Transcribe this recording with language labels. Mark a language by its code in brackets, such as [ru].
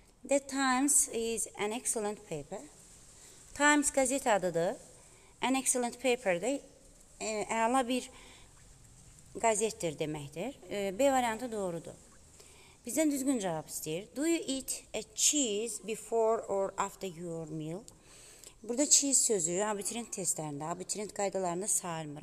[en] The Times is an excellent paper. [az] Times qəzet adıdır. [en] An excellent paper [az] də əla bir qəzetdir deməkdir. B variantı doğrudur. Bizdən düzgün cavab istəyir. [en] Do you eat a cheese before or after your meal? [az] Burada cheese sözü abiturient testlərində, abiturient qaydalarında sayılmır.